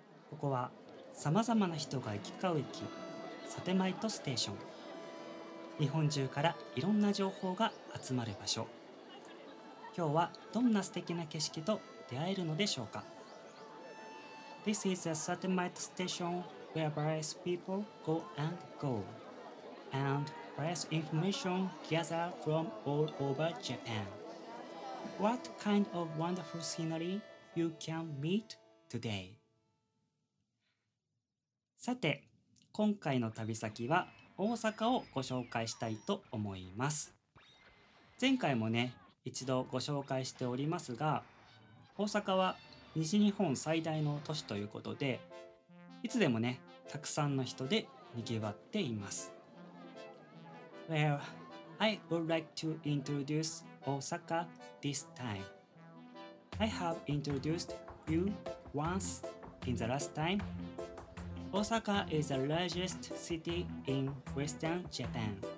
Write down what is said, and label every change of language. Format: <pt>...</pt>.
<ja>ここはさまざまな人が行き交う駅、サテマイトステーション。日本中からいろんな情報が集まる場所。今日はどんな素敵な景色と出会えるのでしょうか。</ja> <en>This is a satellite station where various people go and go, and various information gather from all over Japan. What kind of wonderful scenery you can meet today?</en> <ja>さて、今回の旅先は大阪をご紹介したいと思います。前回もね、一度ご紹介しておりますが、大阪は西日本最大の都市ということで、いつでもね、たくさんの人で賑わっています。</ja> <en>Well, I would like to introduce Osaka this time. I have introduced you once in the last time. Osaka is the largest city in Western Japan.</en>